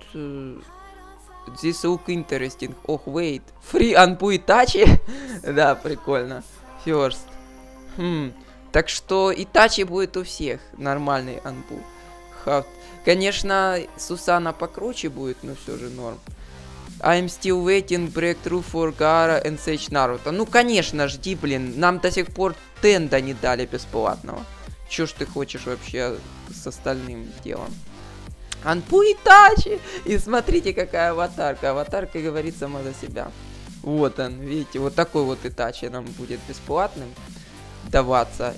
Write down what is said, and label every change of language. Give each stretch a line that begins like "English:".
English: This look interesting. Oh, wait. Free Anbu Itachi?
Russian: Да, прикольно.
English: First.
Russian: Так что Itachi будет у всех. Нормальный Anbu. Конечно, Сусана покруче будет, но все же норм.
English: I'm still waiting breakthrough for Gaara and Sage Naruto.
Russian: Ну, конечно, жди, блин. Нам до сих пор Тенда не дали бесплатного. Чё ж ты хочешь вообще с остальным делом? Anbu Itachi! И смотрите, какая аватарка. Аватарка говорит сама за себя. Вот он, видите, вот такой вот Itachi нам будет бесплатным даваться.